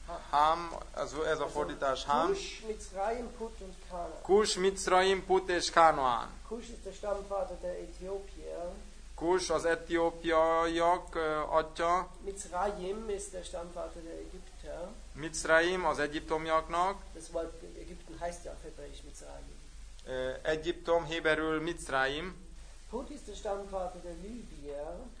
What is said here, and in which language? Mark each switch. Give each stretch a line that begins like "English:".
Hungarian: Ham, ez a also, fordítás Ham.
German: Kush, Mitzrayim, Put und Kanaan.
Hungarian: Kush, Mitzrayim, Put és Kanaan.
German: Kush ist der Stammvater der Äthiopier.
Hungarian: Kush az etiópiaiak atya.
German: Mitzrayim ist der Stammvater der Ägypter.
Hungarian: Mitzrayim az egyiptomiaknak.
German: Das Wort Ägypten heißt ja auf Hebräisch Mitzrayim.
Hungarian: Egyiptom, héberül Mitzrayim.
German: Put ist der Stammvater der Libyer.